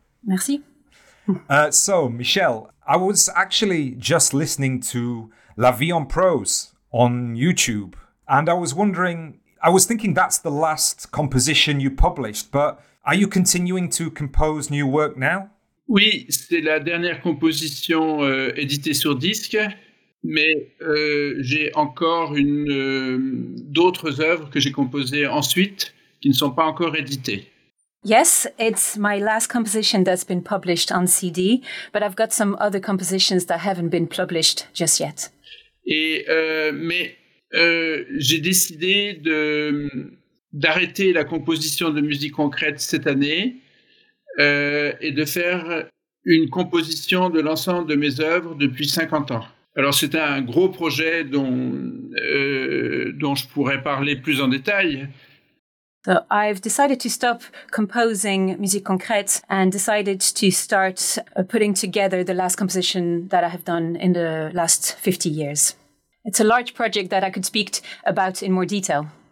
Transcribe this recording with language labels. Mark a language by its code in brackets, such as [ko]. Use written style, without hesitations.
[fr] Merci. [en] So, Michel, I was actually just listening to La Vie en Prose on YouTube, and I was thinking that's the last composition you published, but are you continuing to compose new work now? [fr] Oui, c'est la dernière composition éditée sur disque, mais j'ai encore d'autres œuvres que j'ai composées ensuite qui ne sont pas encore éditées. [en] Yes, it's my last composition that's been published on CD, but I've got some other compositions that haven't been published just yet. [fr] J'ai décidé d'arrêter la composition de musique concrète cette année et de faire une composition de l'ensemble de mes œuvres depuis 50 ans. Alors c'est un gros projet dont je pourrais parler plus en détail. [en] So I've decided to stop composing musique concrète and decided to start putting together the last composition that I have done in the last 50 years. It's a large project that I could speak about in more detail.